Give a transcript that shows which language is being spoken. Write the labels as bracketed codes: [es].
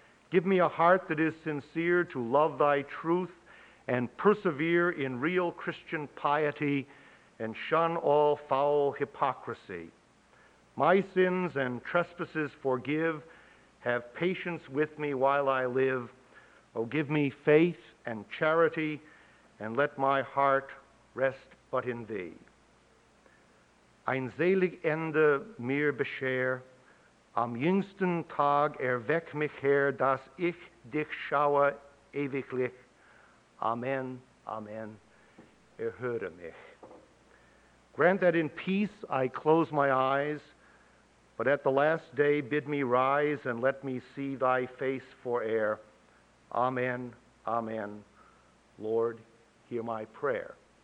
[en] Give me a heart that is sincere to love thy truth, and persevere in real Christian piety, and shun all foul hypocrisy. My sins and trespasses forgive, have patience with me while I live. O, give me faith and charity, and let my heart rest but in thee. [de] Ein selig Ende mir bescher, am jüngsten Tag erweck mich her, dass ich dich schaue ewiglich. Amen, amen, erhöre mich. [en] Grant that in peace I close my eyes, but at the last day bid me rise and let me see thy face fore'er. Amen, amen, Lord, hear my prayer.